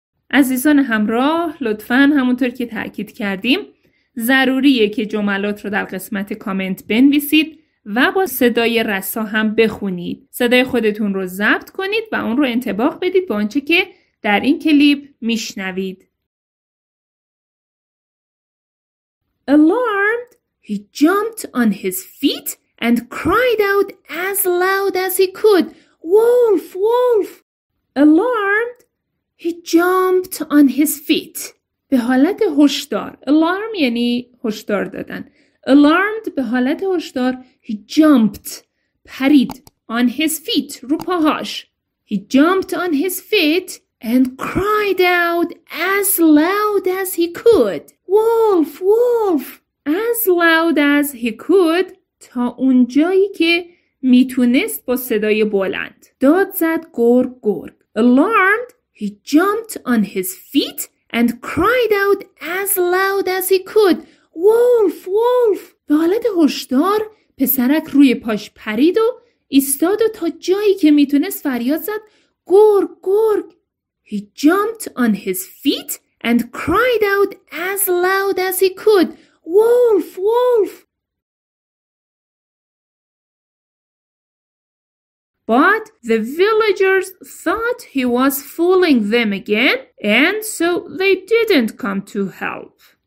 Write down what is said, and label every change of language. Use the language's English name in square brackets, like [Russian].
[Persian] عزیزان همراه، لطفاً همونطور که تأکید کردیم ضروریه که جملات رو در قسمت کامنت بنویسید و با صدای رسا هم بخونید. صدای خودتون رو ضبط کنید و اون رو انطباق بدید با آنچه که در این کلیپ میشنوید. [English] Alarmed, he jumped on his feet and cried out as loud as he could, "Wolf, wolf!" Alarmed, he jumped on his feet. [Persian] به حالت هشدار. Alarm یعنی هشدار دادن. [English] Alarmed [Persian] به حالت هشدار. [English] He jumped. [Persian] پرید. [English] On his feet. [Persian] رو پاهاش. [English] He jumped on his feet and cried out as loud as he could. Wolf, wolf. As loud as he could. [Persian] تا اونجایی که میتونست با صدای بلند. داد زد گرگ گرگ. [English] Alarmed. He jumped on his feet. And cried out as loud as he could, "Wolf, wolf!" به حالت هشدار پسرک روی پاش پرید و ایستاد و تا جایی که میتونست فریاد زد گرگ گرگ. He jumped on his feet and cried out as loud as he could, "Wolf, wolf!" But the villagers thought he was fooling them again, and so they didn't come to help.